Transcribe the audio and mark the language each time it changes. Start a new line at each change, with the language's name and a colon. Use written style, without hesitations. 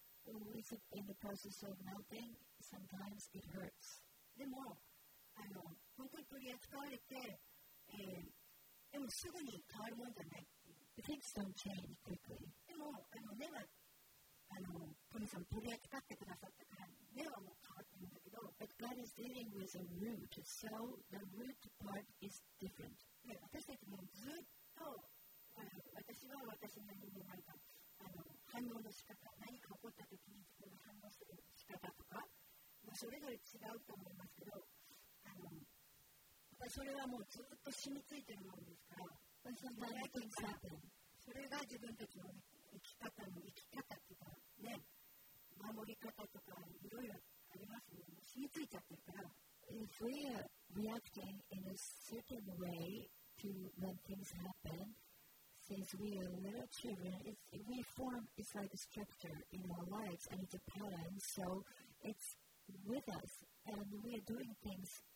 English: Always in the process of melting, sometimes it hurts.
Japanese: でも、本当に取り扱われて、でもすぐに変わるもんじゃない。
English: The things don't change quickly.
Japanese: でも、根は、神様取り扱ってくださったから、根はもう変わってるんだけど、
English: But God is dealing with a root, so the root part is different.
Japanese: 私たちもずっと、私は私なりに何か、反応の仕方、何か起こったときに自分が反応する仕方とか、それぞれ違うと思いますけど、それはもうずっと染みついてるものですから、それが自分たちの生き方っていうか、ね、守り方とかいろいろありますね。染みついちゃってるから。
English: If we are reacting in a certain way to when things happen, since we are little children, it's like a structure in our lives and it's a pattern, so it's with us and we are doing things.